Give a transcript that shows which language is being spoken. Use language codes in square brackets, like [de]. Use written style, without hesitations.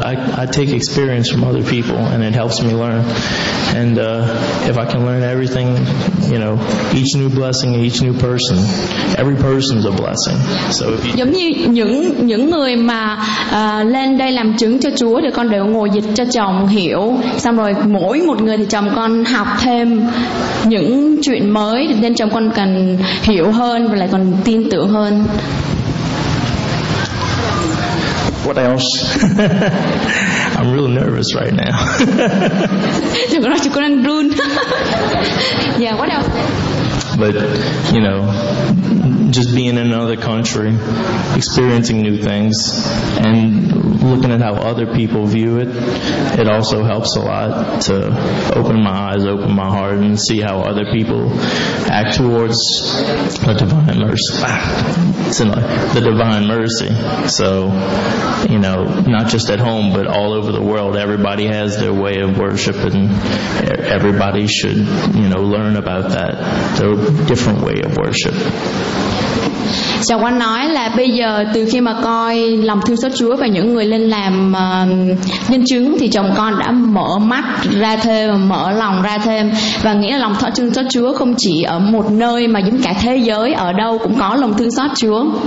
[en] I take experience from other people, and it helps me learn. And if I can learn everything, you know, each new blessing, each new person, every person's a blessing. So if you [vi] giống như những người mà lên đây làm chứng cho Chúa thì con đều ngồi dịch cho chồng hiểu. Xong rồi mỗi một người thì chồng con học thêm những chuyện mới, nên chồng con cần hiểu hơn và lại còn tin tưởng hơn. [en] What else? I'm really nervous right now. Yeah, what else? But, you know, just being in another country, experiencing new things, and looking at how other people view it, it also helps a lot to open my eyes, open my heart, and see how other people act towards the divine mercy. The divine mercy. So, you know, not just at home, but all over the world, everybody has their way of worship, and everybody should, you know, learn about that. Different way of worship. [vi] Chào anh nói là bây giờ từ khi mà coi lòng thương xót Chúa và những người lên làm nhân chứng thì chồng con đã mở mắt ra thêm, mở lòng ra thêm và nghĩ là lòng thương xót Chúa không chỉ ở một nơi mà giống cả thế giới ở đâu cũng có lòng thương xót Chúa.